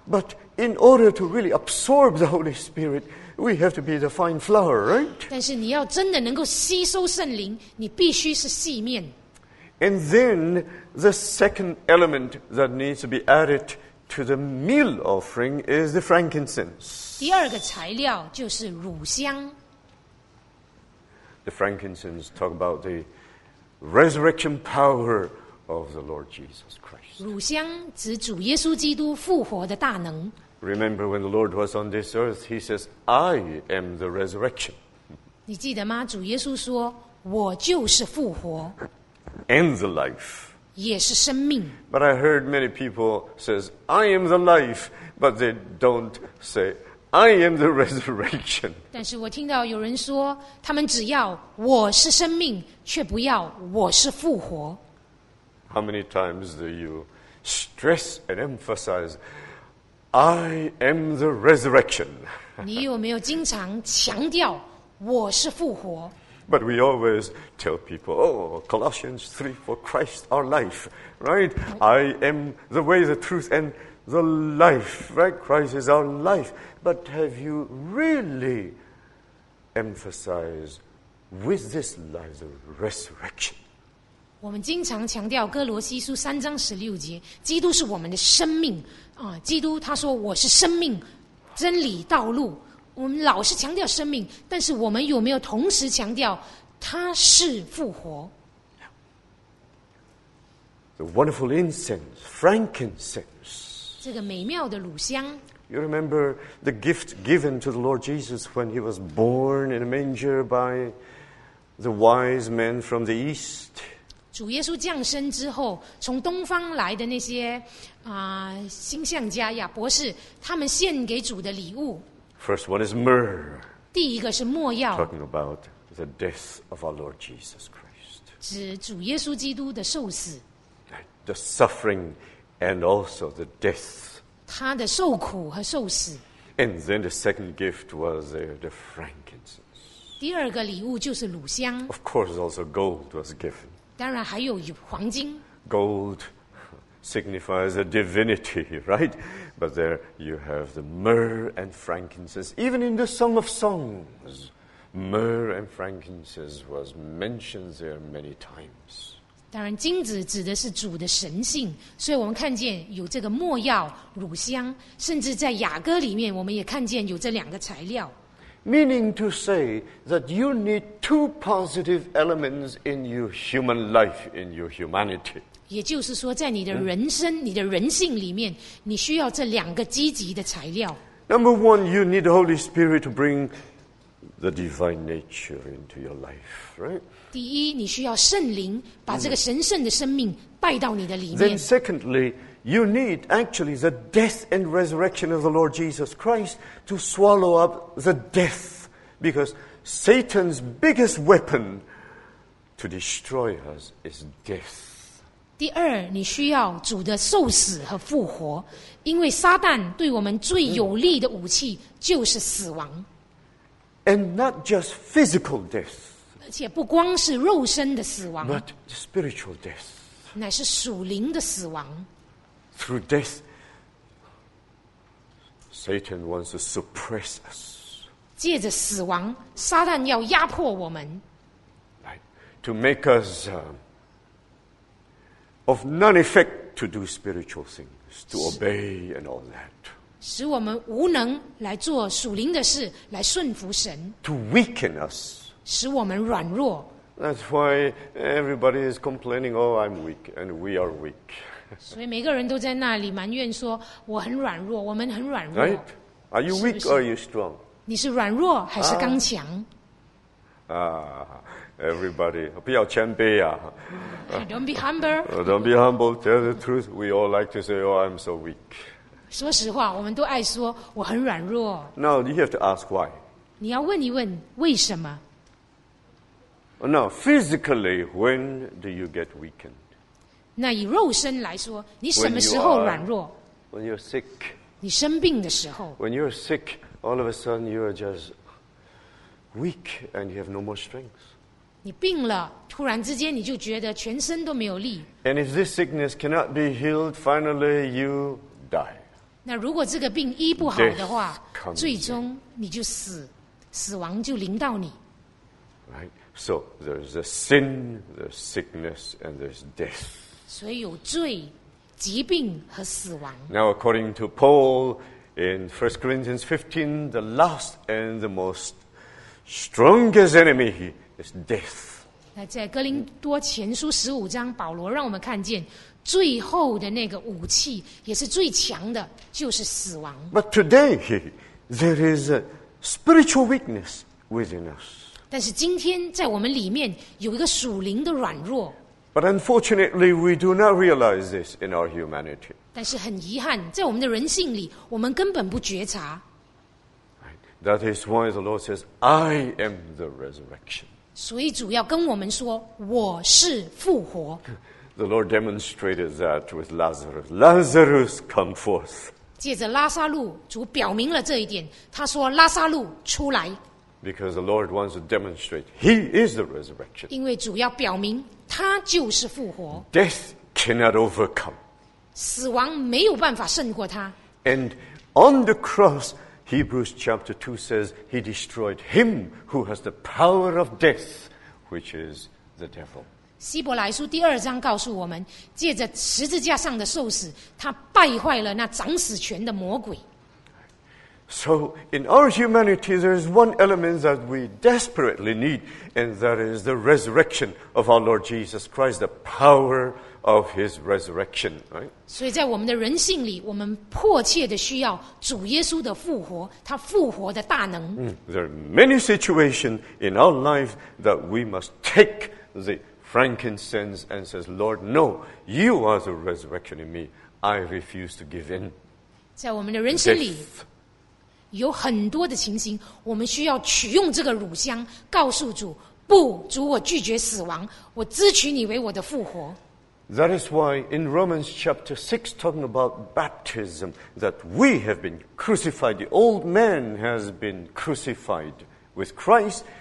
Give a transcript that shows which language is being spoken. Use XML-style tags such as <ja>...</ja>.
<en>But in order to really absorb the Holy Spirit, we have to be the fine flour, right?</en> <zh>但是你要真的能够吸收圣灵，你必须是细面。</zh> <en>And then the second element that needs to be added to the meal offering is the frankincense.</en> <zh>第二个材料就是乳香。</zh> <en>The frankincense talk about the resurrection power of the Lord Jesus Christ.</en> <zh>乳香指主耶稣基督复活的大能。</zh> <en>Remember when the Lord was on this earth, he says, I am the resurrection.</en> <zh>你记得吗？主耶稣说，我就是复活。</zh> <en>And the life.</en> <zh>也是生命。</zh> <en>But I heard many people says, I am the life, but they don't say,I am the resurrection.</en> <zh>但是我听到有人说，他们只要我是生命，却不要我是复活。</zh> <en>How many times do you stress and emphasize, I am the resurrection?</en> <zh>你有没有经常强调我是复活？</zh> <en>But we always tell people, oh, Colossians 3, for Christ our life, right? I am the way, the truth, and the life, right? Christ is our life. But have you really emphasized with this life the resurrection?</en> <zh>我们经常强调哥罗西书三章十六节，基督是我们的生命啊！基督他说我是生命、真理、道路。我们老是强调生命，但是我们有没有同时强调他是复活</zh> <en>？The wonderful incense, frankincense.</en> <zh>这个美妙的乳香。</zh> <en>You remember the gift given to the Lord Jesus when he was born in a manger by the wise men from the east?</en> <zh>主耶稣降生之后，从东方来的那些星象家呀、博士，他们献给主的礼物。</zh> <en>First one is myrrh.</en> <zh>第一个是末药。</zh> <en>Talking about the death of our Lord Jesus Christ.</en> <zh>指主耶稣基督的受死。</zh> <en>The suffering and also the death.</en> <zh>他的受苦和受死。</zh> <en>And then the second gift was the frankincense.</en> <zh>第二个礼物就是乳香。</zh> <en>Of course, also gold was given.</en> <zh>当然还有黄金。</zh> <en>Gold signifies a divinity, right? But there you have the myrrh and frankincense. Even in the Song of Songs, myrrh and frankincense was mentioned there many times.</en> <zh>当然，金子指的是主的神性，所以我们看见有这个末药、乳香，甚至在雅歌里面，我们也看见有这两个材料。</zh> <en>Meaning to say that you need two positive elements in your human life, in your humanity.</en> <zh>也就是说，在你的人生、你的人性里面，你需要这两个积极的材料。</zh> <en>Number one, you need the Holy Spirit to bring the divine nature into your life, right?</en> <zh>第一，你需要圣灵把这个神圣的生命带到你的里面。</zh> <en>Then secondly, you need actually the death and resurrection of the Lord Jesus Christ to swallow up the death, because Satan's biggest weapon to destroy us is death.</en> <zh>第二，你需要主的受死和复活，因为撒旦对我们最有力的武器就是死亡。</zh> <en>And not just physical death.</en> <zh>而且不光是肉身的死亡</zh> <en>but spiritual death</en> <zh>乃是属灵的死亡</zh> <en>through death Satan wants to suppress us</en> <zh>借着死亡撒旦要压迫我们</zh> <en>to make us of none effect to do spiritual things to obey and all that</en> <zh>使我们无能来做属灵的事来顺服神</zh> <en>to weaken us</en> <zh>使我们软弱。</zh> <en>That's why everybody is complaining. Oh, I'm weak, and we are weak.</en> <zh>所以每个人都在那里埋怨说我很软弱，我们很软弱。</zh> <en>Right? Are you weak or are you strong?</en> <zh>你是软弱还是刚强？啊，everybody， 不要谦卑啊。</zh> <en>Don't be humble. Don't be humble. Tell the truth. We all like to say, "Oh, I'm so weak."</en> <zh>说实话，我们都爱说我很软弱。</zh> <en>Now you have to ask why.</en> <zh>你要问一问为什么。</zh> <en>Now physically, when do you get weakened?</en> <zh>那以肉身来说，你什么时候软弱？</zh> <en>When you're sick.</en> <zh>你生病的时候。</zh> <en>When you're sick, all of a sudden you are just weak and you have no more strength.</en> <zh>你病了，突然之间你就觉得全身都没有力。</zh> <en>And if this sickness cannot be healed, finally you die.</en> <zh>那如果这个病医不好的话，最终你就死，死亡就临到你。</zh> <en>Right. So there's a sin, there's sickness, and there's death.</en> <zh>所以有罪、疾病和死亡。</zh> <en>Now according to Paul in 1 Corinthians 15, the last and the most strongest enemy. It's death.</en> <zh>那在哥林多前书十五章，保罗让我们看见最后的那个武器，也是最强的，就是死亡。</zh> <en>But today there is a spiritual weakness within us.</en> <zh>但是今天在我们里面有一个属灵的软弱。</zh> <en>But unfortunately, we do not realize this in our humanity.</en> <zh>但是很遗憾，在我们的人性里，我们根本不觉察。</zh> <en>That is why the Lord says, "I am the resurrection."</en> <zh>所以主要跟我们说，我是复活。</zh> <en>The Lord demonstrated that with Lazarus. Lazarus, come forth.</en> <zh>借着拉撒路，主表明了这一点。他说：“拉撒路，出来。”</zh> <en>Because the Lord wants to demonstrate He is the resurrection.</en> <zh>因为主要表明他就是复活。</zh> <en>Death cannot overcome.</en> <zh>死亡没有办法胜过他。</zh> <en>And on the cross. Hebrews chapter 2 says he destroyed him who has the power of death, which is the devil.</en> <zh>希伯来书第二章告诉我们，借着十字架上的受死，他败坏了那掌死权的魔鬼。</zh> <en>So in our humanity, there is one element that we desperately need, and that is the resurrection of our Lord Jesus Christ, the power of His resurrection. Right?</en> <zh>所以在我们的人性里，我们迫切的需要主耶稣的复活，他复活的大能。</zh> <en>There are many situations in our life that we must take the frankincense and says, "Lord, no, You are the resurrection in me. I refuse to give in."</en> <zh>在我们的人生里。有很多的情形，我们需要取用这个乳香，告诉主：“不，主，我拒绝死亡，我支取你为我的复活。”</zh> <en>That is why in Romans chapter 6 talking about baptism, that we have been crucified, the old man has been crucified with Christ.</en>